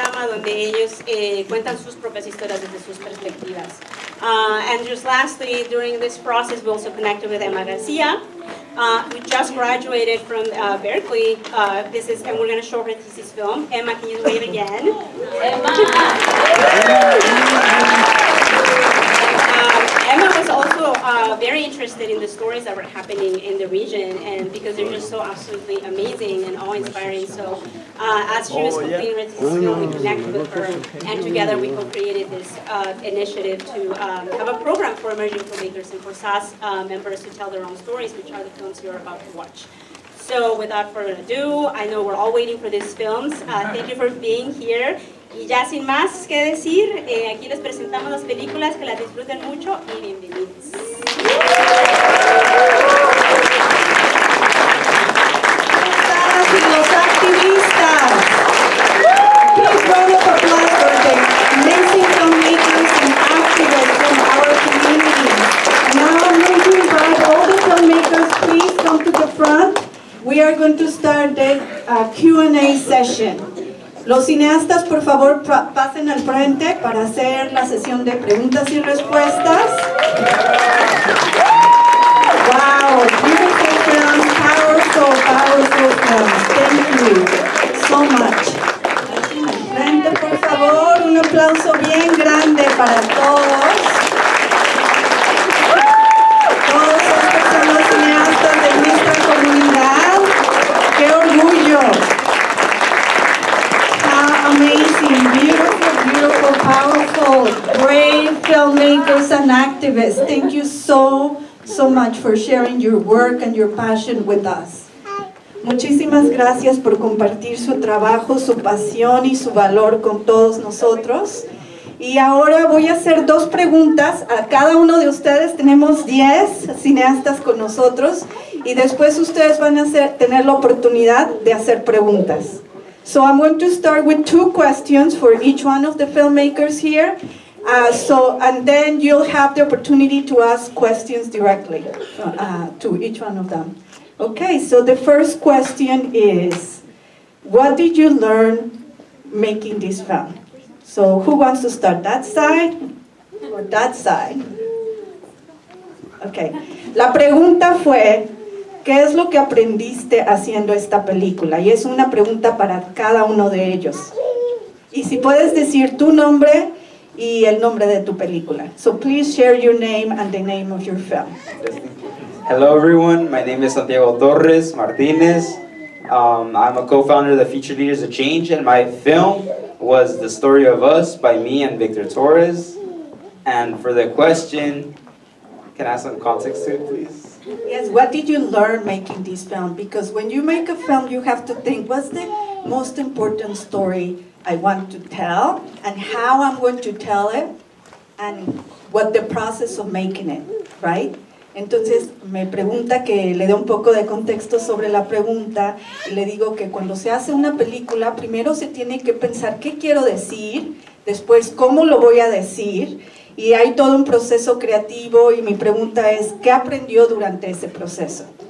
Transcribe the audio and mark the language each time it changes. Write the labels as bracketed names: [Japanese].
[Spanish] Donde ellos cuentan sus propias historias desde sus perspectivas. [English] And just lastly, during this process, we also connected with Emma García, who just graduated from Berkeley. This is, and we're going to show her thesis film. Emma, can you wave again? Emma! Emma was also very interested in the stories that were happening in the region, and because they're just so absolutely amazing and awe-inspiring. So as she was completing her thesis film, we connected with her, and together we co-created this initiative to have a program for emerging filmmakers and for SAS members to tell their own stories, which are the films you're about to watch. So without further ado, I know we're all waiting for these films. Thank you for being here. [Spanish] Y ya sin más que decir, aquí les presentamos las películas, que las disfruten mucho y bienvenidos. Los cineastas, por favor, pasen al frente para hacer la sesión de preguntas y respuestas. [English] Wow, beautiful film, powerful, powerful film. Thank you so much. [Spanish] Al frente, por favor, un aplauso bien grande para todos. Todos estos son los cineastas de nuestra comunidad. ¡Qué orgullo! [English] Amazing, beautiful, beautiful, powerful, brave filmmakers and activists. Thank you so, so much for sharing your work and your passion with us. [Spanish] Muchísimas gracias por compartir su trabajo, su pasión y su valor con todos nosotros. Y ahora voy a hacer dos preguntas a cada uno de ustedes. Tenemos 10 cineastas con nosotros y después ustedes van a tener la oportunidad de hacer preguntas. [English] So I'm going to start with two questions for each one of the filmmakers here. And then you'll have the opportunity to ask questions directly to each one of them. Okay, so the first question is, what did you learn making this film? So who wants to start, that side or that side? [Spanish] Okay, la pregunta fue, ¿qué es lo que aprendiste haciendo esta película? Y es una pregunta para cada uno de ellos. Y si puedes decir tu nombre y el nombre de tu película. [English] So please share your name and the name of your film. Hello everyone, my name is Santiago Torres Martinez. I'm a co-founder of the Future Leaders of Change, and my film was The Story of Us by me and Victor Torres. And for the question, can I have some context to it, please? Yes, what did you learn making this film? Because when you make a film, you have to think, what's the most important story I want to tell, and how I'm going to tell it, and what the process of making it, right? [Spanish] Entonces, me pregunta que le dé un poco de contexto sobre la pregunta. Le digo que cuando se hace una película, primero se tiene que pensar qué quiero decir, después cómo lo voy a decir, y hay todo un proceso creativo, y mi pregunta es, ¿qué aprendió durante ese proceso?